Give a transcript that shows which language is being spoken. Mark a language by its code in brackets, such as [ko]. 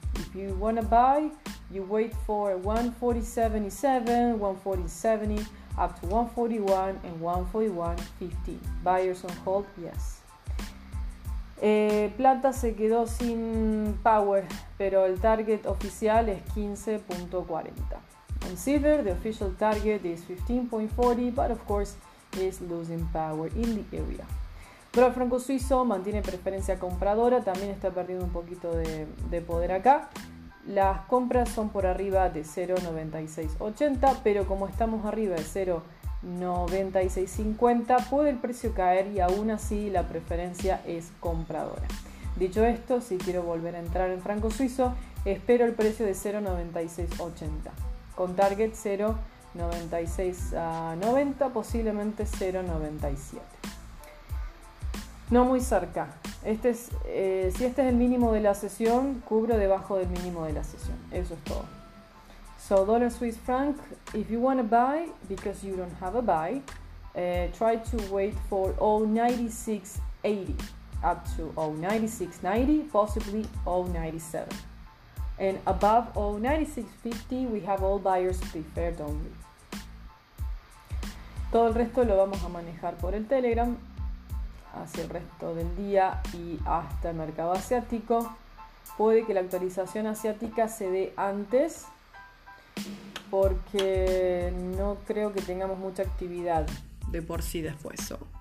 [en] If you want to buy, you wait for 1.4077, 1.4070, up to 1.41 and 1.4150. Buyers on hold, yes. [es] Plata se quedó sin power, pero el target oficial es 15.40. [en] En silver, the official target is 15.40, but of course, is losing power in the area. [es] Dólar franco suizo mantiene preferencia compradora, también está perdiendo un poquito de poder acá. Las compras son por arriba de 0.9680, pero como estamos arriba de 0.9650, puede el precio caer y aún así la preferencia es compradora. Dicho esto, si quiero volver a entrar en franco suizo, espero el precio de 0.9680 con target 0.9690, posiblemente 0.97, no muy cerca. Este es, si este es el mínimo de la sesión, cubro debajo del mínimo de la sesión, eso es todo. [en] So dollar Swiss franc, if you want to buy because you don't have a buy, try to wait for 0.9680 up to 0.9690, possibly 0.97. And above 0.9650, we have all buyers preferred only. [es] Todo el resto lo vamos a manejar por el Telegram hacia el resto del día y hasta el mercado asiático. Puede que la actualización asiática se dé antes, porque no creo que tengamos mucha actividad de por sí después.